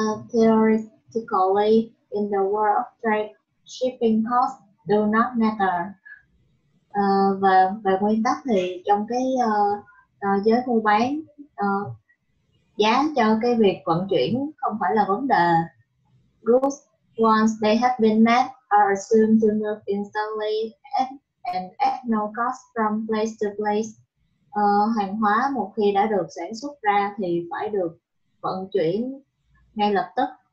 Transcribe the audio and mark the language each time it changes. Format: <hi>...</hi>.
<en>Theoretically, in the world of trade, shipping costs do not matter.</en> <vi>Và về nguyên tắc thì trong cái giới mua bán, giá cho cái việc vận chuyển không phải là vấn đề.</vi> <en>Goods, once they have been met, are assumed to move instantly and at no cost from place to place.</en> <vi>Hàng hóa một khi đã được sản xuất ra thì phải được vận chuyển ngay lập tức.</vi>